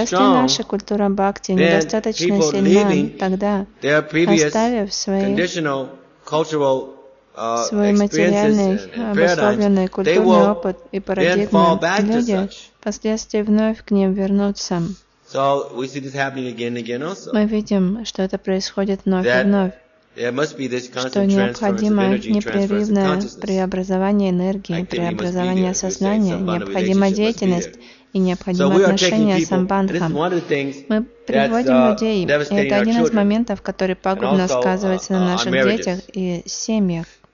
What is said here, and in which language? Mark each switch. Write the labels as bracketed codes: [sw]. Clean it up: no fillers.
[ru] если наша культура бхакти недостаточно сильна, тогда, оставив свой материальный обусловленный культурный опыт и парадигму, люди впоследствии вновь к ним вернутся. [en] So we see this happening again and again also. [ru] Мы видим, что это происходит вновь и вновь. [en] There must be this constant [ru] что необходимо непрерывное [en] transference [ru] преобразование энергии, преобразование сознания, необходима деятельность и необходимо [en] so [ru] отношение с самбандхам. Мы приводим людей, и это один из моментов, который пагубно сказывается на наших детях и семьях.